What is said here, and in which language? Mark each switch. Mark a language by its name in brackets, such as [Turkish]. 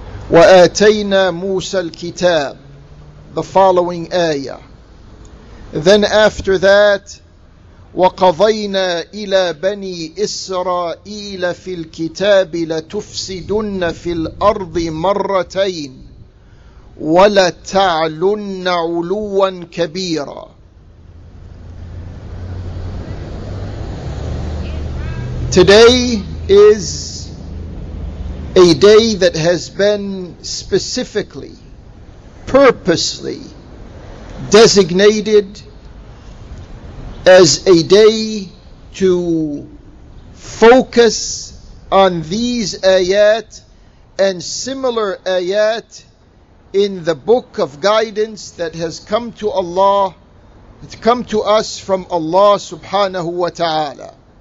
[Arabic] وآتينا موسى الكتاب, [English] the following ayah. Then after that, [Arabic] وقضينا إلى بني إسرائيل في الكتاب لتفسدن في الأرض مرتين ولتعلن علوا كبيرا. [English] Today is a day that has been specifically, purposely designated as a day to focus on these ayat and similar ayat in the book of guidance that has come to Allah, that come to us from Allah subhanahu wa ta'ala.